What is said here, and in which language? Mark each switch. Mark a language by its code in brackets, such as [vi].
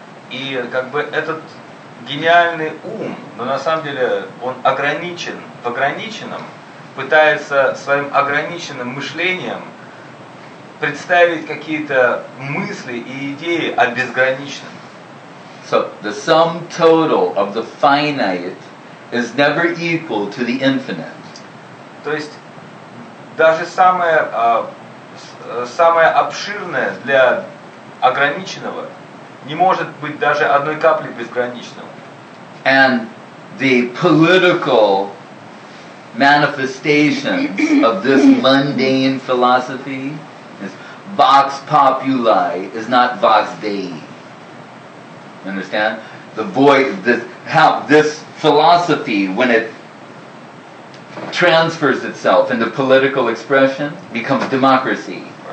[ru] И как бы этот гениальный ум, но на самом деле он ограничен в ограниченном, пытается своим ограниченным мышлением представить какие-то мысли и идеи о безграничном. [en] So the sum total of the finite is never equal to the infinite. [ru] То есть даже самое, самое обширное для ограниченного не может быть даже одной капли безграничного. [en] And the political manifestations of this mundane philosophy is vox populi is not vox dei. Understand? The voice, this philosophy, when it transfers itself into political expression, becomes democracy.